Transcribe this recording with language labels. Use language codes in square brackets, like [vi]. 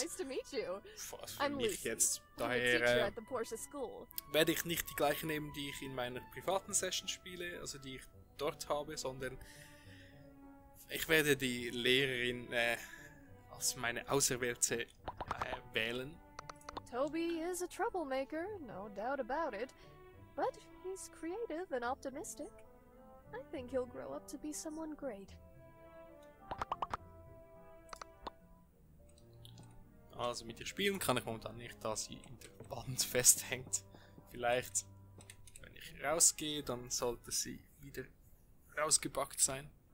[de] Für mich jetzt. Daher werde ich nicht die gleiche nehmen, die ich in meiner privaten Session spiele, also die ich dort habe, sondern ich werde die Lehrerin als meine Auserwählte wählen. [en] Toby is a troublemaker, no doubt about it, but he's creative and optimistic. I think he'll grow up to be someone great. [de] Also mit ihr spielen kann ich momentan nicht, da sie in der Wand festhängt. Vielleicht, wenn ich rausgehe, dann sollte sie wieder rausgepackt sein.